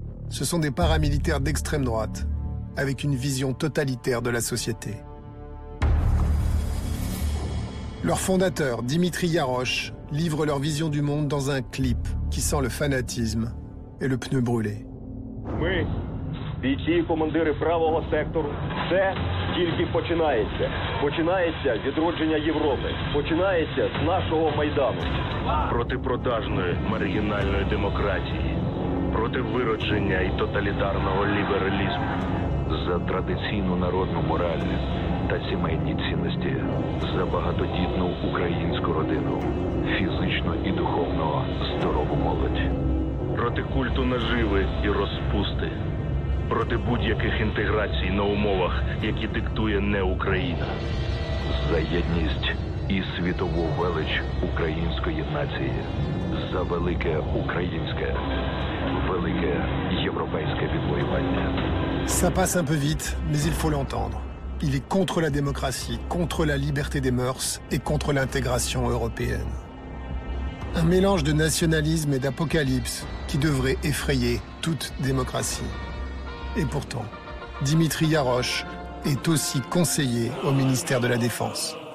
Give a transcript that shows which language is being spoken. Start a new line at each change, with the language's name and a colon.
French: Ce sont des paramilitaires d'extrême droite, avec une vision totalitaire de la société. Leur fondateur, Dimitri Yaroche, livre leur vision du monde dans un clip qui sent le fanatisme et le pneu brûlé. Oui.
Ukrainian: Бійці і командири правого сектору, все тільки починається. Починається відродження Європи. Починається з нашого Майдану. Проти продажної маргінальної демократії. Проти виродження і тоталітарного лібералізму. За традиційну народну мораль та сімейні цінності. За багатодітну українську родину. Фізично і духовно здорову молодь. Проти культу наживи і розпусти. Проти будь-яких інтеграцій на умовах, які диктує не Україна. За єдність і світову велич української нації. За велике українське, велике європейське відвоювання.
French: Ça passe un peu vite, mais il faut l'entendre. Il est contre la démocratie, contre la liberté des mœurs et contre l'intégration européenne. Un mélange de nationalisme et d'apocalypse qui devrait effrayer toute démocratie. Et pourtant, Dimitri Yaroche est aussi conseiller au ministère de la Défense.